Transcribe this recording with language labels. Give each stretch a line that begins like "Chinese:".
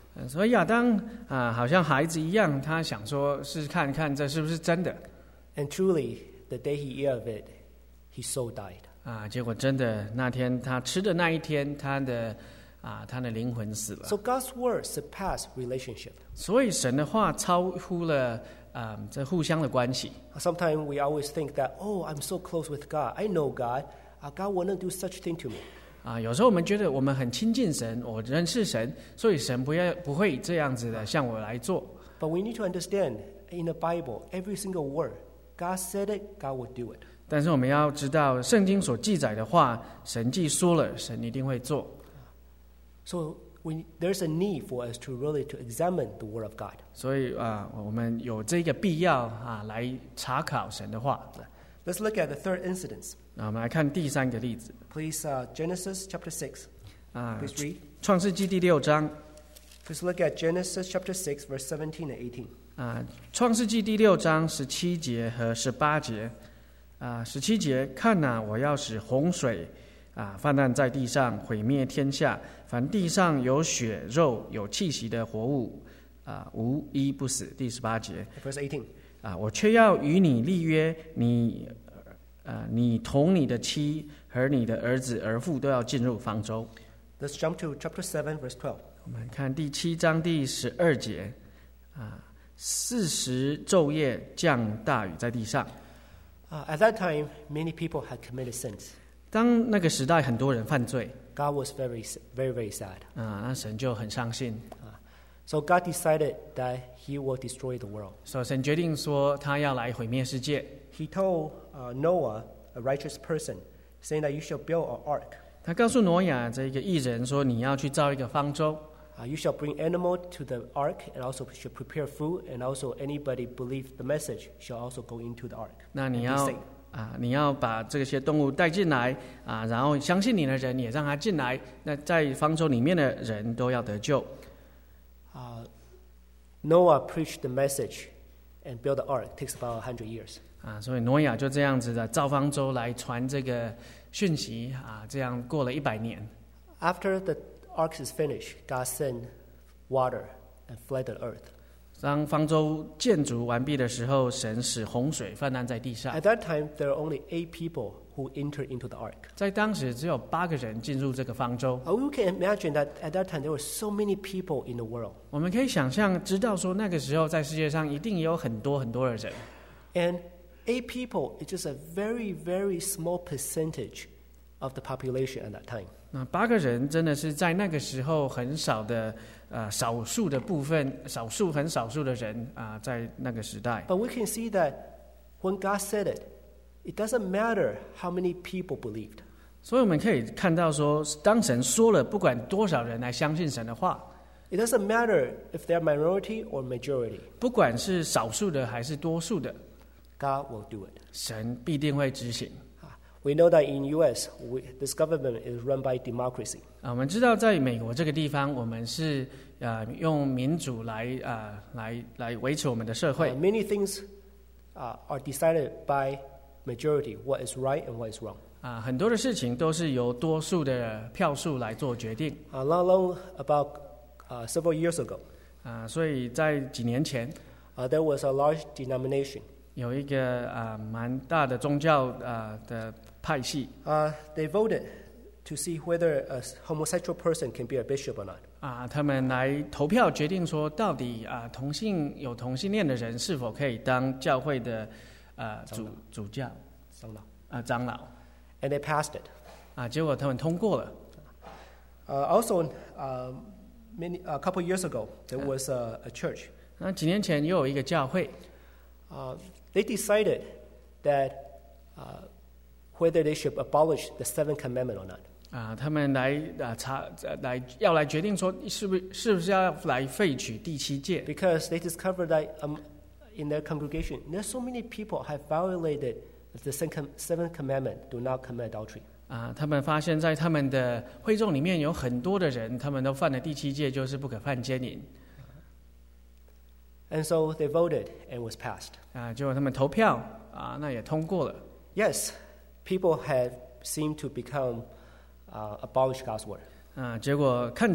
Chinese: 所以亚当好像孩子一样，他想说试试看看这是不是真的。
English: And truly, the day he ate of it, he so died.
Chinese: 结果真的，那天他吃的那一天，他的灵魂死了。
English: So God's word surpassed relationship.
Chinese: 所以神的话超乎了这互相的关系。
English: Sometimes we always think that, oh, I'm so close with God. I know God. God wouldn't do such thing to me.
Chinese: 有时候我们觉得我们很亲近神，我认识神，所以神不会这样子的向我来做。
English: But we need to understand in the Bible, every single word. God said it, God would do it.
Chinese: 但是我们要知道，圣经所记载的话，神既说了，神一定会做。
English: So we there's a need for us to really to examine the word of God.
Chinese: 所以我们有这个必要来查考神的话。
English: Let's look at the third incident.
Chinese: 那我们来看第三个例子。
English: Please, Genesis chapter 6. Please read.
Chinese: 创世纪第六章。
English: Please look at Genesis chapter 6, verse 17 and 18.
Chinese: 创世纪第六章十七节和十八节，十七节，看哪，我要使洪水泛滥在地上，毁灭天下，凡地上有血肉有气息的活物无一不死。第十八节
English: ，verse 18，
Chinese: 我却要与你立约，你同你的妻和你的儿子儿妇都要进入方舟。
English: Let's jump to chapter 7 verse 12。
Chinese: 我们看第七章第十二节，四时昼夜降大雨在地上。
English: At that time, many people had committed sins.
Chinese: 当那个时代，很多人犯罪。
English: God was very, very, very sad.
Chinese: 那神就很伤心。
English: So God decided that He will destroy the world.
Chinese: 所以神决定说，他要来毁灭世界。
English: He told Noah, a righteous person, saying that you shall build an ark.
Chinese: 他告诉挪亚这个义人说，你要去造一个方舟。
English: You shall bring animal to the ark, and also shall prepare food, and also anybody believe the message shall also go into the ark.
Chinese: 那你要你要把这些动物带进来然后相信你的人也让他进来，那在方舟里面的人都要得救。
English: Noah preached the message and built the ark. It takes about 100 years.
Chinese: 所以挪亚就这样子的造方舟来传这个讯息这样过了一百年。
English: After the ark is finished, God sent water and flooded the earth.
Chinese: 当方舟建筑完毕的时候，神使洪水泛滥在地上。
English: At that time, there are only 8 people who entered into the ark.
Chinese: 在当时只有八个人进入这个方舟。
English: We can imagine that at that time there were so many people in the world.
Chinese: 我们可以想象，知道说那个时候在世界上一定有很多很多的人。
English: And 8 people is just a very, very small percentage of the population at that time.
Chinese: 那八个人真的是在那个时候很少的少数的部分，少数很少数的人在那个时代。
English: But we can see that when God said it, it doesn't matter how many people believed.
Chinese: 所以我们可以看到说，当神说了，不管多少人来相信神的话。
English: It doesn't matter if they're minority or majority.
Chinese: 不管是少数的还是多数的。
English: God will do it.
Chinese: 神必定会执行。
English: We know that in U.S., this government is run by democracy.
Chinese: 我们知道在美国这个地方，我们是用民主来维持我们的社会。
English: Many things are decided by majority, what is right and what is wrong.
Chinese: 很多的事情都是由多数的票数来做决定。
English: Not long about several years ago.
Chinese: 所以在几年前。
English: There was a large denomination.
Chinese: 有一个蛮大的宗教的派系。
English: They voted to see whether a homosexual person can be a bishop or not.
Chinese: 他们来投票决定说，到底同性恋的人是否可以当教会的主教。长老。长老。
English: And they passed it.
Chinese: 结果他们通过了。
English: Also, a couple years ago, there was a church.
Chinese: 那几年前又有一个教会,
English: they decided that whether they should abolish the seventh commandment or not.
Chinese: 他们来决定说是不是要来废取第七诫。
English: Because they discovered that in their congregation, there's so many people have violated the seventh commandment, do not commit adultery.
Chinese: 他们发现在他们的会众里面有很多的人，他们都犯了第七诫，就是不可犯奸淫。
English: And so they voted and was passed.
Chinese: 结果他们投票，那也通过了。
English: Yes, people have seemed to become abolish God's word.